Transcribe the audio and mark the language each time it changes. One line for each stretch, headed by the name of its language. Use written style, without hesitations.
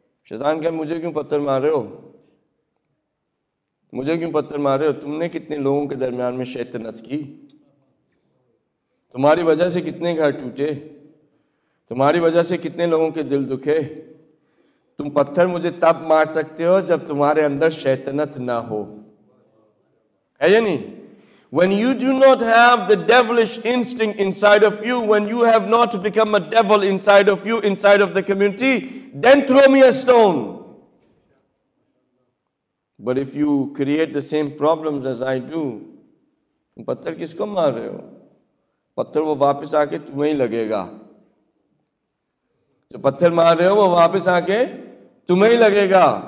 Urdu: شیطان کہے مجھے کیوں پتھر مار رہے ہو, مجھے کیوں پتھر مار رہے ہو, تم نے کتنے لوگوں کے درمیان میں شیطنت کی, تمہاری وجہ سے کتنے گھر ٹوٹے, تمہاری وجہ سے کتنے لوگوں کے دل دکھے. تم پتھر مجھے تب مار سکتے ہو جب تمہارے اندر شیطنت نہ ہو, ہے یا نہیں؟
English: When you do not have the devilish instinct inside of you, when you have not become a devil inside of you, inside of the community, then throw me a stone. But if you create the same problems as I do,
Urdu: پتھر کس کو مار رہے ہو؟ پتھر وہ واپس آ کے تمہیں ہی لگے گا. جو پتھر مار رہے ہو وہ واپس آ کے تمہیں ہی لگے گا.